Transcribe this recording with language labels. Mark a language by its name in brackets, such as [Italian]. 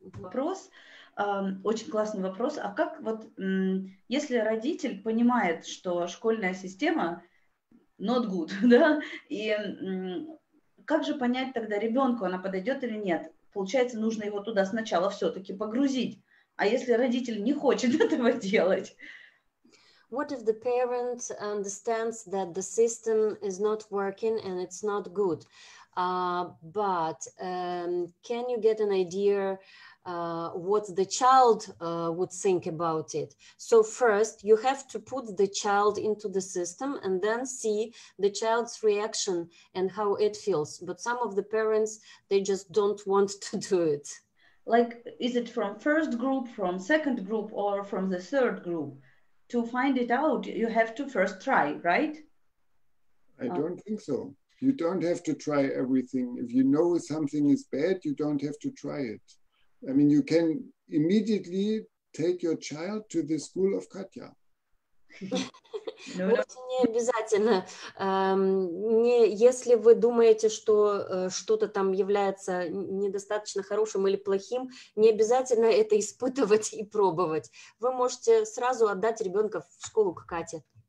[Russian] Вопрос, очень классный вопрос, а как вот, если родитель понимает, что школьная система [English] not good, [Russian] да, и как же понять тогда ребенку, она подойдет или нет? Получается, нужно его туда сначала все-таки погрузить. А если родитель не хочет этого делать? [English] What if the parent understands that the system is not working and it's not good? But can you get an idea what the child would think about it? So first, you have to put the child into the system and then see the child's reaction and how it feels. But some of the parents, they just don't want to do it. Like, is it from first group, from second group, or from the third group? To find it out, you have to first try, right? I don't think so. You don't have to try everything. If you know something is bad, you don't have to try it. I mean, you can immediately take your child to the school of Katya. [Russian] Вовсе не обязательно. Не, если вы думаете, что что-то там является недостаточно хорошим или плохим, не обязательно это испытывать и пробовать. Вы можете сразу отдать ребенка в школу к Кате.